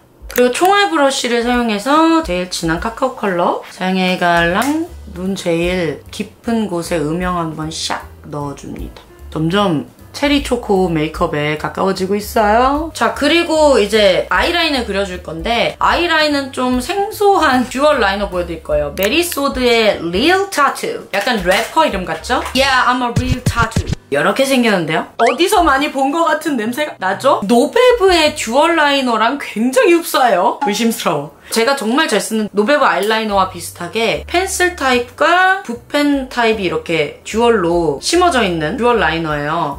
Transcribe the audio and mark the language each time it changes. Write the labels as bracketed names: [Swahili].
[Korean] 그리고 총알 브러쉬를 사용해서 제일 진한 카카오 컬러 장애갈랑 눈 제일 깊은 곳에 음영 한번 샥 넣어줍니다. 점점 체리 초코 메이크업에 가까워지고 있어요. 자, 그리고 이제 아이라인을 그려줄 건데 아이라인은 좀 생소한 듀얼 라이너 보여드릴 거예요. 메리소드의 Real Tattoo. 약간 래퍼 이름 같죠? [English] Yeah, I'm a real tattoo. [Korean] 이렇게 생겼는데요? 어디서 많이 본 것 같은 냄새가 나죠? 노베브의 듀얼 라이너랑 굉장히 흡사해요. 의심스러워. 제가 정말 잘 쓰는 노베브 아이라이너와 비슷하게 펜슬 타입과 붓펜 타입이 이렇게 듀얼로 심어져 있는 듀얼 라이너예요.